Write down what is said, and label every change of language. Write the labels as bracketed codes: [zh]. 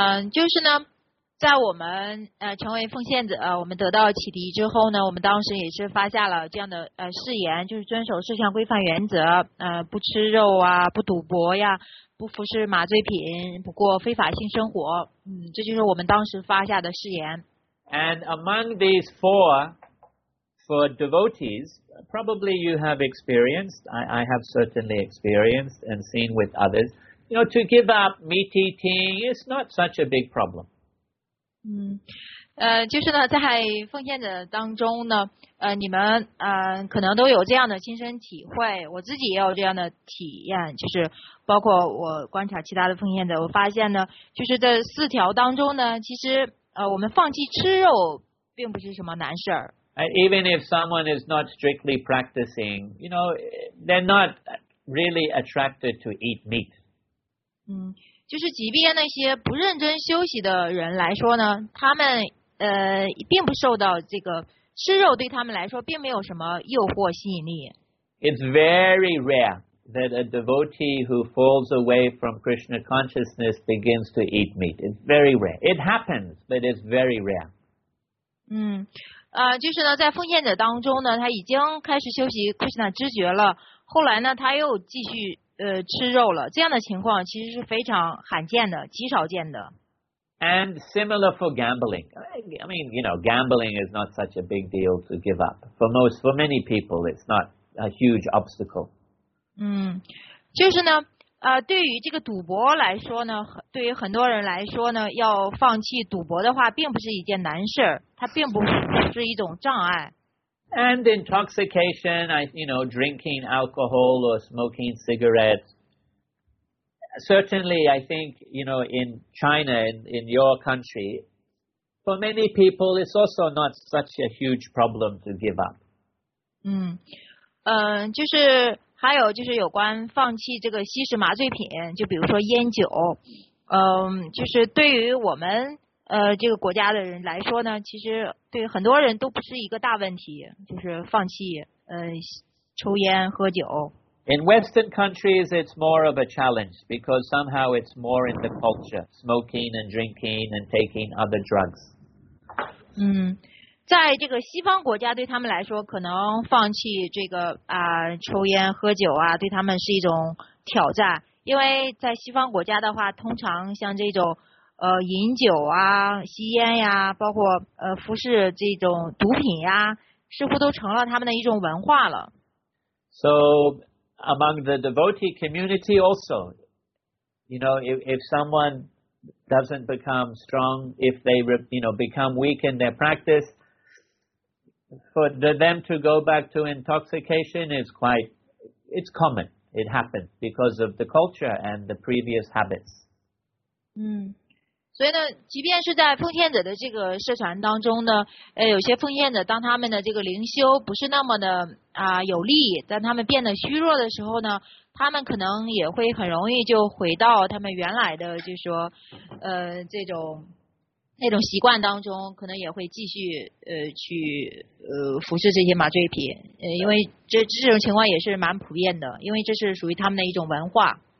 [zh] 就是呢，在我们成为奉献者，我们得到启迪之后呢，我们当时也是发下了这样的誓言，就是遵守四项规范原则，不吃肉啊，不赌博呀，不服侍麻醉品，不过非法性生活。这就是我们当时发下的誓言。 [en] And among these four, for devotees, probably you have experienced, I have certainly experienced and seen with others, you know, to give up meat eating is not such a big problem. [zh] 就是呢，在奉献者当中呢，你们可能都有这样的亲身体会，我自己也有这样的体验，就是包括我观察其他的奉献者，我发现呢，就是这四条当中呢，其实我们放弃吃肉并不是什么难事儿。 [en] Even if someone is not strictly practicing, you know, they're not really attracted to eat meat. [zh] 就是即便那些不认真休息的人来说呢，他们并不受到这个吃肉对他们来说并没有什么诱惑吸引力。 [en] It's very rare that a devotee who falls away from Krishna consciousness begins to eat meat. It's very rare. It happens, but it's very rare. [zh] 就是呢，在奉献者当中呢，他已经开始休息 Krishna 知觉了，后来呢，他又继续吃肉了，这样的情况其实是非常罕见的，极少见的。 [en] And similar for gambling. I mean, you know, gambling is not such a big deal to give up. For many people, it's not a huge obstacle. [zh] 就是呢，对于这个赌博来说呢，对于很多人来说呢，要放弃赌博的话，并不是一件难事，它并不是一种障碍。 [en] And intoxication, you know, drinking alcohol or smoking cigarettes. Certainly, I think, you know, in China, in your country, for many people, it's also not such a huge problem to give up. [zh] 就是还有就是有关放弃这个吸食麻醉品，就比如说烟酒，就是对于我们这个国家的人来说呢，其实对很多人都不是一个大问题，就是放弃抽烟喝酒。 [en] In Western countries, it's more of a challenge because somehow it's more in the culture, smoking and drinking and taking other drugs. [zh] 在这个西方国家，对他们来说，可能放弃这个抽烟喝酒啊，对他们是一种挑战，因为在西方国家的话，通常像这种饮酒啊、吸烟呀、包括服侍这种毒品呀，似乎都成了他们的一种文化了。 [en] So among the devotee community also, you know, if someone doesn't become strong, if they, you know, become weak in their practice, for them to go back to intoxication is quite, it's common. It happens because of the culture and the previous habits. [zh] 所以呢，即便是在奉献者的这个社团当中呢，有些奉献者当他们的这个灵修不是那么的有力，当他们变得虚弱的时候呢，他们可能也会很容易就回到他们原来的就是说那种习惯当中，可能也会继续去服侍这些麻醉品，因为这种情况也是蛮普遍的，因为这是属于他们的一种文化。